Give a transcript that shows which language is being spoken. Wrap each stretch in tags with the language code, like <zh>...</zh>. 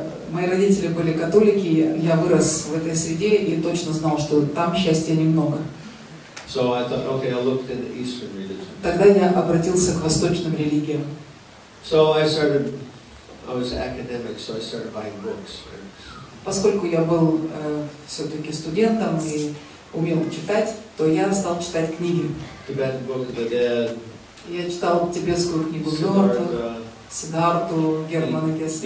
<ru>Мои родители были католики, я вырос в этой среде и точно знал, что там счастья немного.</ru> <en>So I thought, okay, I looked in the Eastern religion.</en> <ru>Тогда я обратился к восточным религиям.</ru> <en>So I was academic, so I started buying books.</en> <ru>Поскольку я был все-таки студентом и умел читать, то я стал читать книги.</ru> <en>Tibetan Book of the Dead.</en> <ru>Я читал тибетскую книгу Мёртвых, Сиддхарту, Германа Гессе.</ru>